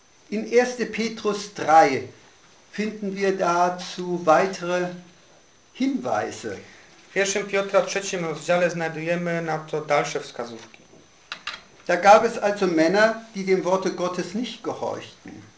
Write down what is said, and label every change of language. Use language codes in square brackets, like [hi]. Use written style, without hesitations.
[de] In 1. Petrus 3 finden wir dazu weitere Hinweise. [pl] W 1. Piotra 3 rozdziale znajdujemy na to dalsze wskazówki. [de] Da gab es also Männer, die dem Worte Gottes nicht gehorchten.